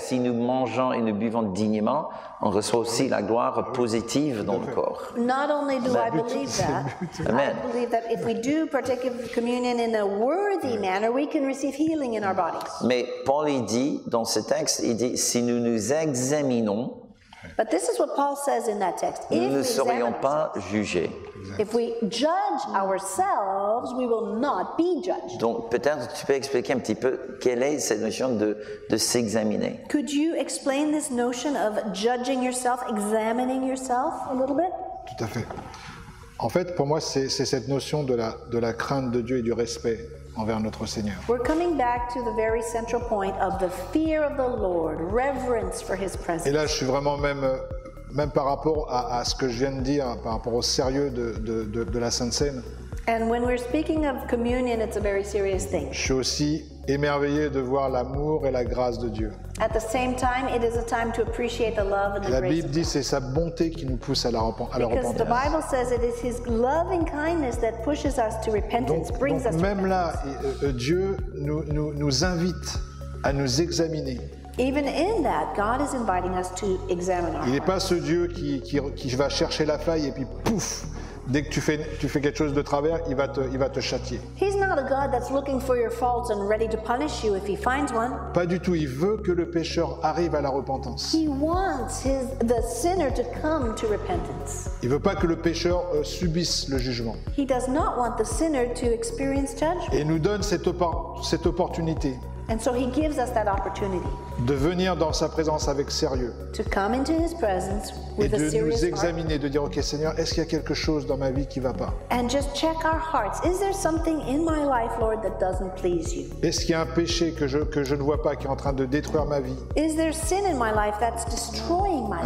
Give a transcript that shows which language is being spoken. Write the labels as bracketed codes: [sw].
[fr] Si nous mangeons et nous buvons dignement, on reçoit aussi la gloire positive dans le corps. [en] Not only do I believe that, I believe that if we do partake of communion in a worthy manner, we can receive healing in our bodies. [fr] Mais Paul il dit dans ce texte, il dit si nous nous examinons. [en] But this is what Paul says in that text. [fr] Nous ne serions pas jugés. [en] If we judge ourselves, we will not be judged. [fr] Donc peut-être tu peux expliquer un petit peu quelle est cette notion de s'examiner. [en] Could you explain this notion of judging yourself, examining yourself a little bit? [fr] Tout à fait. En fait, pour moi, c'est cette notion de la crainte de Dieu et du respect envers notre Seigneur. [en] We're coming back to the very central point of the fear of the Lord, reverence for His presence. [fr] Et là, je suis vraiment même par rapport à ce que je viens de dire, par rapport au sérieux de la Sainte Cène. [en] And when we're speaking of communion, it's a very serious thing. [fr] Je suis aussi émerveillé de voir l'amour et la grâce de Dieu. [en] At the same time, it is a time to appreciate the love and the grace. [fr] La Bible dit c'est sa bonté qui nous pousse à la repentance. [en] Because the Bible says it is His loving kindness that pushes us to repentance, brings us. [fr] Donc même là, Dieu nous invite à nous examiner. [en] Even in that, God is inviting us to examine ourselves. [fr] Il n'est pas ce Dieu qui va chercher la faille et puis pouf. Dès que tu fais quelque chose de travers, il va te châtier. [en] He's not a God that's looking for your faults and ready to punish you if he finds one. [fr] Pas du tout. Il veut que le pécheur arrive à la repentance. [en] He wants the sinner to come to repentance. [fr] Il veut pas que le pécheur subisse le jugement. [en] He does not want the sinner to experience judgment. [fr] Et il nous donne cette opportunité. [en] And so he gives us that opportunity. [fr] De venir dans sa présence avec sérieux. [en] To come into his presence with a serious heart. [fr] Et de nous examiner, de dire, OK, Seigneur, est-ce qu'il y a quelque chose dans ma vie qui ne va pas? [en] And just check our hearts. Is there something in my life, Lord, that doesn't please you? [fr] Est-ce qu'il y a un péché que je ne vois pas qui est en train de détruire ma vie? [en] Is there sin in my life that's destroying my life?